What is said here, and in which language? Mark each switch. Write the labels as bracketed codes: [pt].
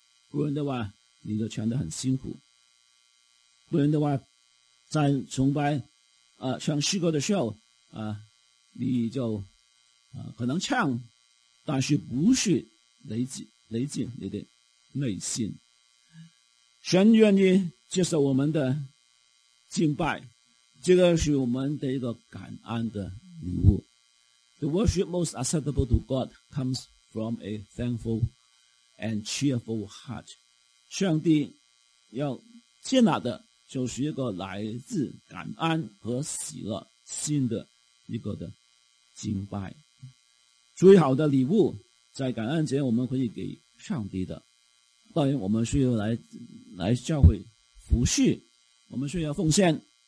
[zh] 不然的话，你就唱得很辛苦。不然的话，在崇拜啊唱诗歌的时候啊，你就啊可能唱，但是不是累进你的内心。神愿意接受我们的敬拜，这个是我们的一个感恩的礼物。 [en] The worship most acceptable to God comes from a thankful and cheerful heart. [zh] 上帝要接纳的就是一个来自感恩和喜乐心的一个的敬拜。最好的礼物在感恩节我们可以给上帝的。当然我们需要来教会服侍，我们需要奉献。